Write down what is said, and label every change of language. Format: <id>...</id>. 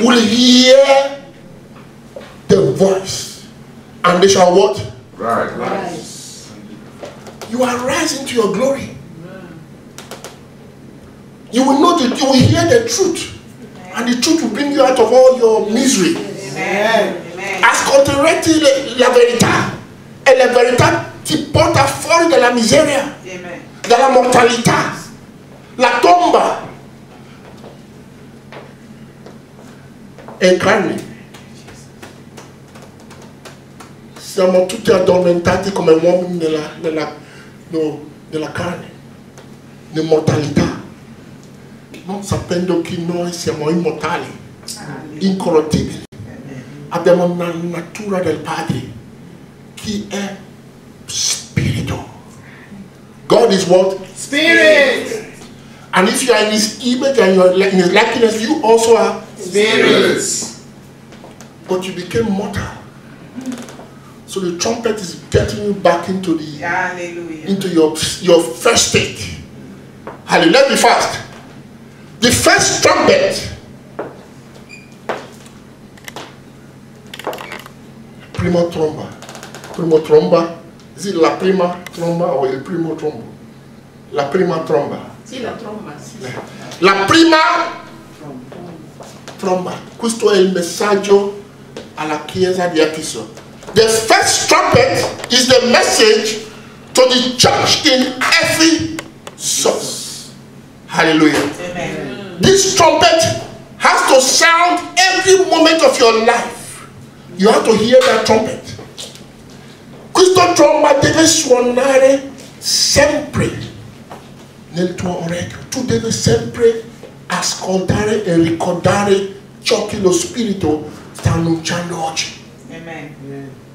<en>Will hear the voice. And they shall what? Rise. You are rising to your glory. You will know that you will hear the truth. And the truth will bring you out of all your misery. Amen.</en> <it>Ascolterete la verità e la verità ti porta fuori dalla miseria, Amen. Dalla mortalità, la tomba è carne. Siamo tutti addormentati come uomini nella carne, nell'immortalità, non sapendo che noi siamo immortali, incorruttibili. Abbiamo una natura del Padre che è spirito.</it> <en>God is what? Spirit! And if you are in His image and you are in His likeness, you also are spirits. But you became mortal. So the trumpet is getting you back into the Hallelujah. Into your first state. Hallelujah. Let me fast. The first trumpet.</en> <it>Prima tromba. Prima tromba. Is it la prima tromba or il primo trombo? La prima tromba. Sì, la tromba, sì. La prima tromba. Questo è il messaggio alla chiesa di Efeso.</it> <en>The first trumpet is the message to the church in Ephesus. Hallelujah. Amen. This trumpet has to sound every moment of your life. You have to hear that trumpet.</en> <it>Questa tromba deve suonare sempre nel tuo orecchio. Tu devi sempre ascoltare e ricordare ciò che lo Spirito sta annunciando oggi. Amen.</it>